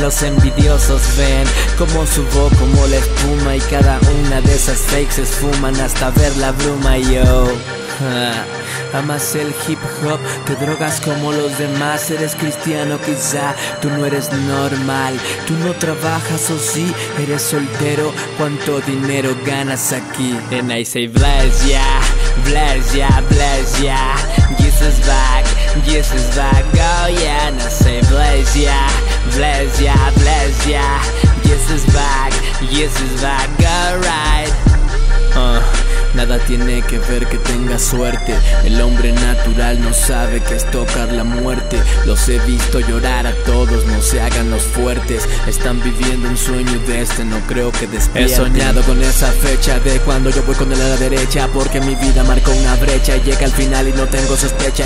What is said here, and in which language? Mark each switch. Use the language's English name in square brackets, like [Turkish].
[Spanish] Los envidiosos ven cómo subo como la espuma y cada una de esas fakes esfuman hasta ver la bruma, yo. Amas el hip hop, te drogas como los demás. Eres cristiano quizá, tú no eres normal. Tú no trabajas o sí, eres soltero. ¿Cuánto dinero ganas aquí? [English] Then I say bless ya, bless ya, bless ya. Jesus back, Jesus back, oh yeah. And I say bless ya, bless ya, bless ya. Jesus back, Jesus back, alright. [Spanish] Nada tiene que ver que tenga suerte. El hombre natural no sabe que es tocar la muerte. Los he visto llorar a todos, no se hagan los fuertes. Están viviendo un sueño de este, no creo que despierten. He soñado con esa fecha de cuando yo voy con él a la derecha, porque mi vida marcó una brecha y llega al final y no tengo sospecha.